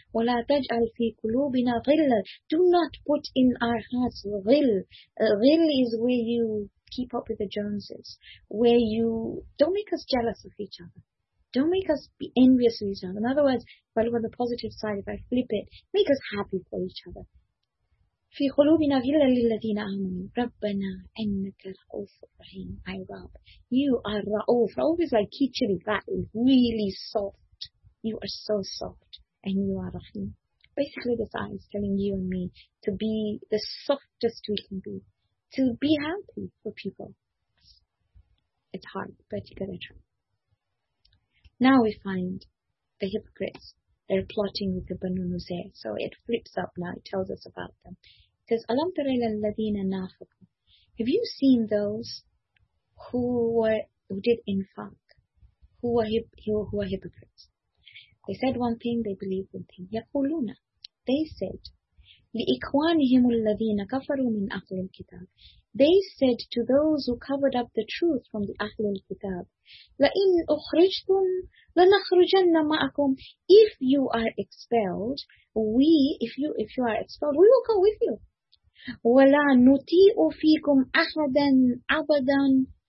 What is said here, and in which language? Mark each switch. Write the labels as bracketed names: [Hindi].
[Arabic] وَلَا تَجْعَلْ فِي قُلُوبِنَا غِلَّ. [English] Do not put in our hearts غِلْ. غِلْ is where you keep up with the Joneses, where you don't make us jealous of each other. Don't make us be envious of each other. In other words, if I look on the positive side, if I flip it, make us happy for each other. [Arabic] في قلوبنا غلا للذين آمنوا ربنا إنك رؤوف رحيم. [English] My Rabb, you are Ra'uf. Ra'uf is like kitchen, that is really soft. You are so soft and you are Rahim. Basically, this ayah is telling you and me to be the softest we can be, to be happy for people. It's hard, but you gotta try. Now we find the hypocrites. They're plotting with the Banu Nuzair. So it flips up now. It tells us about them. It says, [Arabic] Alam tara alladhina nafaqu. [English] Have you seen those who did infaq? Who were hypocrites? They said one thing, they believed one thing. [Arabic] Yaquluna. [English] They said, [Arabic] لِإِخْوَانِهِمُ الَّذِينَ كَفَرُوا مِنْ أَخْلِ الْكِتَابِ. [English] They said to those who covered up the truth from the أَخْلِ الْكِتَابِ, [Arabic] لَإِنْ أُخْرِجْتُمْ لَنَخْرُجَنَّ مَعَكُمْ. [English] If you are expelled, if you are expelled, we will go with you. [Arabic] وَلَا نُطِيعُ فِيكُمْ أَحَدًا أَبَدًا.